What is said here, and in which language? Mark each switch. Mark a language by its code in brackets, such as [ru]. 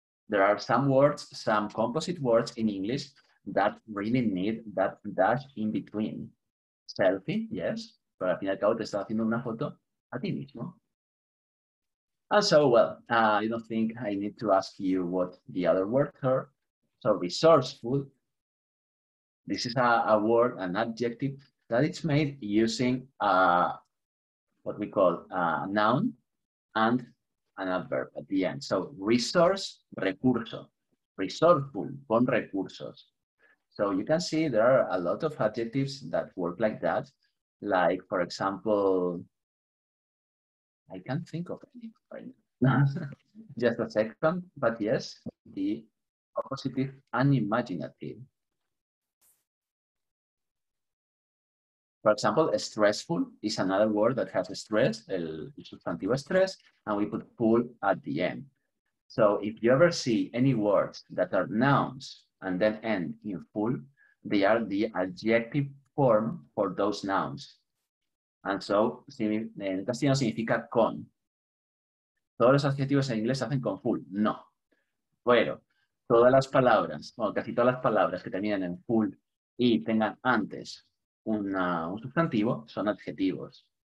[en] There are some words, some composite words in English that really need that dash in between. Selfie, yes, [es] pero al fin y al cabo te estás haciendo una foto a ti mismo. [en] And so, well, I don't think I need to ask you what the other words are. So resourceful, this is a word, an adjective, that it's made using what we call a noun and an adverb at the end. So resource, recurso, resourceful, [es] con recursos. [en] So you can see there are a lot of adjectives that work like that. Like, for example, I can't think of any right now. Just a second. But yes, the appositive unimaginative. For example, stressful is another word that has stress, [es] el sustantivo [en] stress, and we put full at the end. So if you ever see any words that are nouns, and then end in full, they are the adjective form for those nouns. [es] And so, en castellano significa con. Todos los adjetivos en inglés se hacen con full. No. Pero todas las palabras, o casi todas las palabras que terminan en full y tengan antes un sustantivo, son adjetivos.